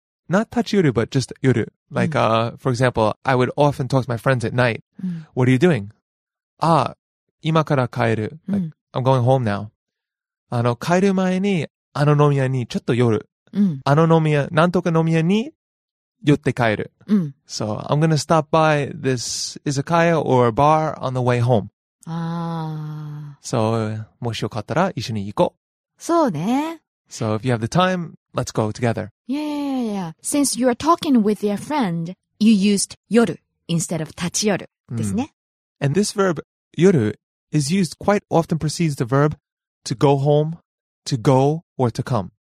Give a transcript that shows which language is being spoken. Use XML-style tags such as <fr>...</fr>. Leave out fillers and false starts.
<en>Not 立ち寄る, but just 寄る.Like, for example, I would often talk to my friends at night. What are you doing?</en> <ja>今から帰る.</ja> <en>Like, I'm going home now.</en> <ja>帰る前に、飲み屋にちょっと寄る.なんとか飲み屋に寄って帰る.</ja> <en>So, I'm going to stop by this izakaya or bar on the way home.</en> <ja>So, もしよかったら一緒に行こう. そうね.</ja> <en>So, if you have the time, let's go together. Yeah. Since you are talking with your friend, you used 寄る instead of 立ち寄るですね. And this verb 寄る is used quite often precedes the verb to go home, to go, or to come.</en>